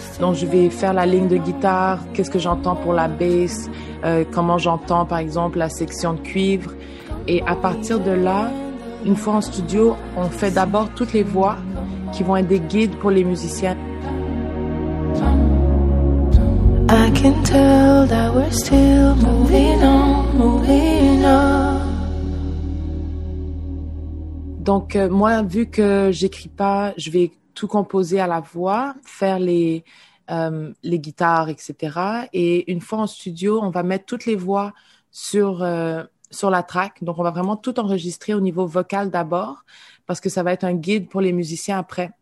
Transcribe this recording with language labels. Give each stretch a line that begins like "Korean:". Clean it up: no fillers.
French: Donc, je vais faire la ligne de guitare, qu'est-ce que j'entends pour la bass, comment j'entends, par exemple, la section de cuivre. Et à partir de là, une fois en studio, on fait d'abord toutes les voix qui vont être des guides pour les musiciens.
English: I can tell that we're still moving on, moving on.
French: Donc, moi, vu que j'écris pas, je vais tout composer à la voix, faire les guitares, etc. Et une fois en studio, on va mettre toutes les voix sur la track. Donc, on va vraiment tout enregistrer au niveau vocal d'abord, parce que ça va être un guide pour les musiciens après.